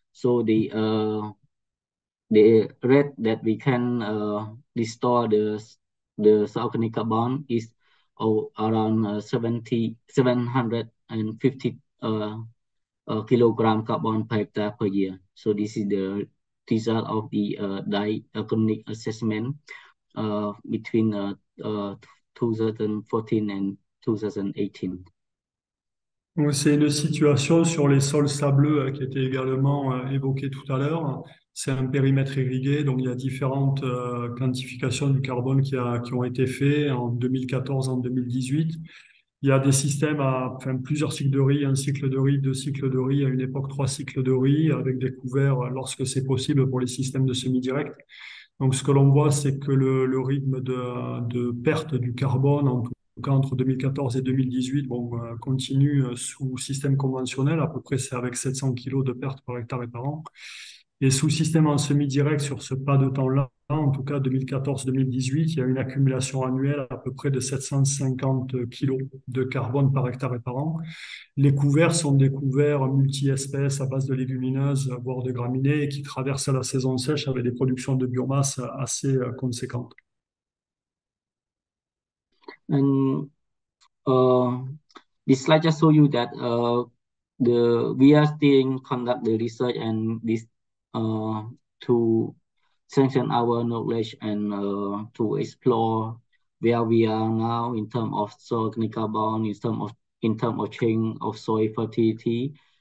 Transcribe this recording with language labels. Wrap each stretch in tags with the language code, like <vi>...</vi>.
<en>So the rate that we can restore the soil organic carbon is around 750 kilogram carbon per hectare per year. So this is the result of the diachronic assessment between 2014 and 2018.</en> <fr>C'est une situation sur les sols sableux qui était également évoquée tout à l'heure. C'est un périmètre irrigué, donc il y a différentes quantifications du carbone qui ont été faites en 2014, en 2018. Il y a des systèmes à enfin, plusieurs cycles de riz, un cycle de riz, deux cycles de riz, à une époque trois cycles de riz, avec des couverts lorsque c'est possible pour les systèmes de semi-direct. Donc ce que l'on voit, c'est que le rythme de perte du carbone, en tout cas entre 2014 et 2018, continue sous système conventionnel, à peu près c'est avec 700 kilos de perte par hectare et par an. Et sous système en semi-direct, sur ce pas de temps-là, En tout cas, 2014-2018, il y a une accumulation annuelle à peu près de 750 kilos de carbone par hectare et par an. Les couverts sont des couverts multi-espèces à base de légumineuses, voire de graminées, qui traversent la saison sèche avec des productions de biomasse assez conséquentes.</fr> <en>And this slide just show you that we are still conduct the research and this to strengthen our knowledge and to explore where we are now in terms of soil carbon, in terms of change of soil fertility.</en>